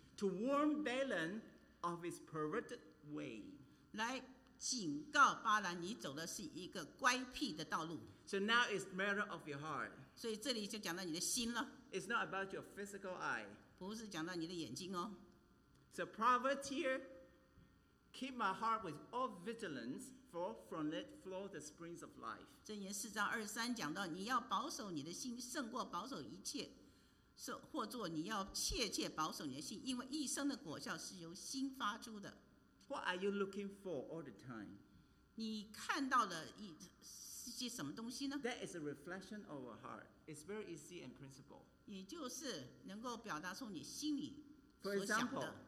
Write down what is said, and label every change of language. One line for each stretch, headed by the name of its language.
English: ，to warn Balaam of his perverted way，
Chinese: 来警告巴兰，你走的是一个乖僻的道路。
English: So now it's matter of your heart。
Chinese: 所以这里就讲到你的心了。
English: It's not about your physical eye。
Chinese: 不是讲到你的眼睛哦。
English: So Proverbs here， keep my heart with all vigilance。 For from it flow the springs of life.
Chinese: 箴言4:23讲到，你要保守你的心，胜过保守一切；或做你要切切保守你的心，因为一生的果效是由心发出的。
English: What are you looking for all the time?
Chinese: 你看到了一些什么东西呢？
English: That is a reflection of our heart. It's very easy and principle.
Chinese: 也就是能够表达出你心里所想的。